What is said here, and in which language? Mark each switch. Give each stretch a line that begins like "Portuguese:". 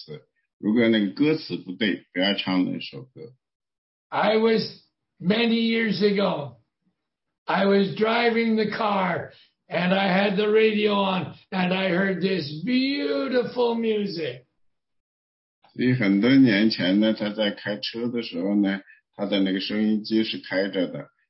Chinese: 所以呢，我也不想唱那样子，你也不要唱那样子。如果那个歌词不对，不要唱那首歌。
English: I was, many years ago, I was driving the car, and I had the radio on, and I heard this beautiful music.
Chinese: 所以很多年前呢，他在开车的时候呢，他的那个收音机是开着的。